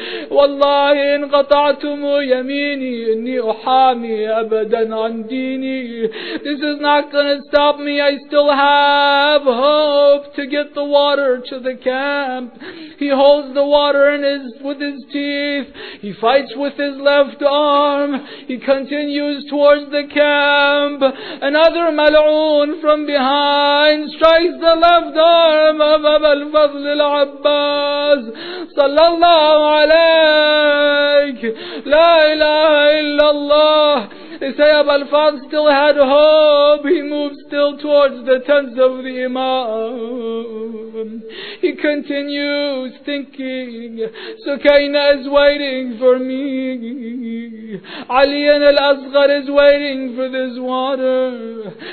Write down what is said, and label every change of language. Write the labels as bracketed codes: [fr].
[ar] والله إن قطعتم يميني إني أحامي أبدا عن ديني. [en] This is not gonna stop me. I still have hope to get the water to the camp. He holds the water in his with his teeth. He fights with his left arm. He continues towards the camp. Another mal'oon from behind strikes the left arm of Abu al-Fadl al-Abbas. [ar] صلى الله عليك لا إله إلا الله. [en] Sayyab al-Fadl still had hope. He moved still towards the tents of the Imam. He continues thinking, Sukaina is waiting for me. Ali and al-Asghar is waiting for this water.